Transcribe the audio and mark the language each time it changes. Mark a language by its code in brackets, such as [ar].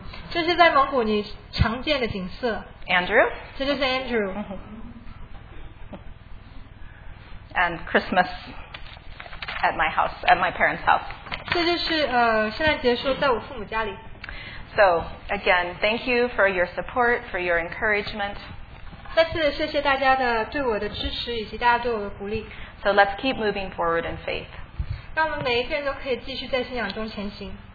[zh] 这是在蒙古你常见的景色。 [en] Andrew. [zh] 这就是Andrew。 [en] And Christmas at my house, at my parents' house. [zh] 这就是圣诞节的时候在我父母家里。 [en] So again, thank you for your support, for your encouragement. [zh] 再次谢谢大家对我的支持以及大家对我的鼓励。 [en] So let's keep moving forward in faith. [zh] 让我们每一个人都可以继续在信仰中前行。